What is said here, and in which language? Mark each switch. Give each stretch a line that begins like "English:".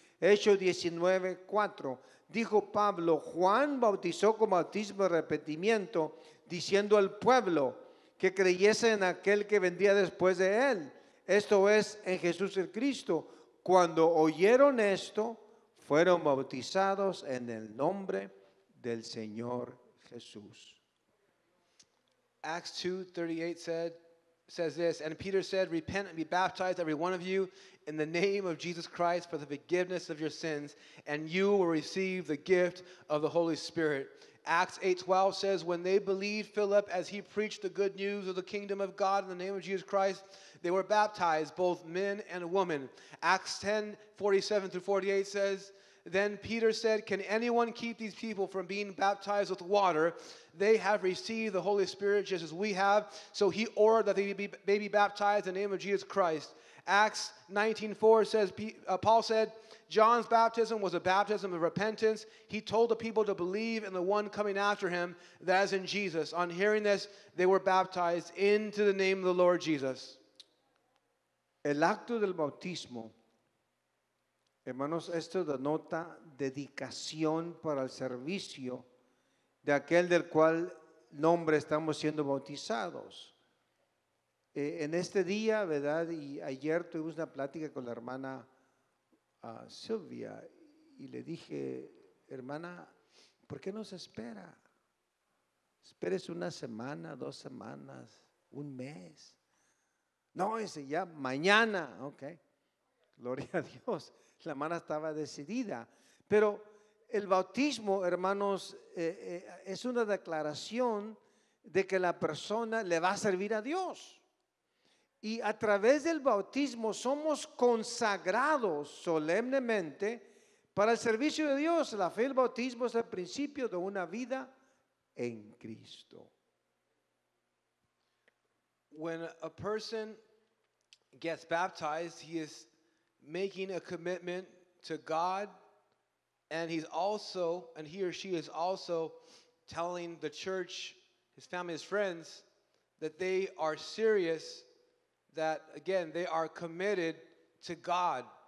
Spanish: Hechos 19:4. Dijo Pablo, Juan bautizó con bautismo de arrepentimiento, diciendo al pueblo que creyese en aquel que vendría después de él, esto es, en Jesús el Cristo. Cuando oyeron esto, fueron bautizados en el nombre del Señor Jesús.
English: Acts 2:38 says this, and Peter said, repent and be baptized, every one of you, in the name of Jesus Christ for the forgiveness of your sins, and you will receive the gift of the Holy Spirit. Acts 8:12 says, when they believed Philip as he preached the good news of the kingdom of God in the name of Jesus Christ, they were baptized, both men and women. Acts 10:47-48 says, then Peter said, can anyone keep these people from being baptized with water? They have received the Holy Spirit just as we have. So he ordered that they be baptized in the name of Jesus Christ. Acts 19:4 says, Paul said, John's baptism was a baptism of repentance. He told the people to believe in the one coming after him, that is in Jesus. On hearing this, they were baptized into the name of the Lord Jesus.
Spanish: El acto del bautismo, hermanos, esto denota dedicación para el servicio de aquel del cual nombre estamos siendo bautizados. En este día, ¿verdad? Y ayer tuvimos una plática con la hermana Silvia y le dije, hermana, ¿por qué no se espera? Esperes una semana, dos semanas, un mes. No, dice, ya mañana. Ok, gloria a Dios. La hermana estaba decidida. Pero el bautismo, hermanos, es una declaración de que la persona le va a servir a Dios. Y a través del bautismo somos consagrados solemnemente para el servicio de Dios. La fe y el bautismo es el principio de una vida en Cristo.
English: When a person gets baptized, he is making a commitment to God, and he or she is also telling the church, his family, his friends, that they are serious, that again they are committed to God.